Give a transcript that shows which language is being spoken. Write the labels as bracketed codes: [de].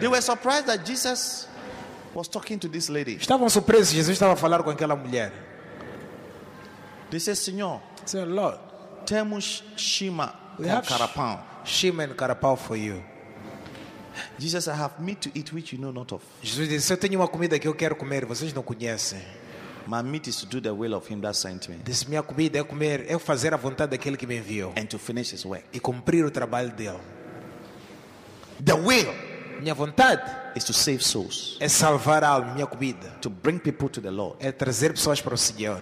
[en] they were surprised that Jesus was talking to this lady. [pt] Estavam surpresos que Jesus estava a falar com aquela mulher. [en] They said, [pt] Senhor, [en] say, Lord, [pt] temos shima and carapau. [en] Shima and carapau for you. Jesus, I have meat to eat which you know not of. [pt] Jesus disse, eu tenho uma comida que eu quero comer, vocês não conhecem. [en] My meat is to do the will of him that sent me. This [pt] minha comida é comer, é fazer a vontade daquele que me enviou. [en] And to finish his work. [pt] E cumprir o trabalho dele. [en] The will, [pt] minha vontade, [en] is to save souls. [pt] É salvar almas, minha comida. [en] To bring people to the Lord. [pt] É trazer pessoas para o Senhor.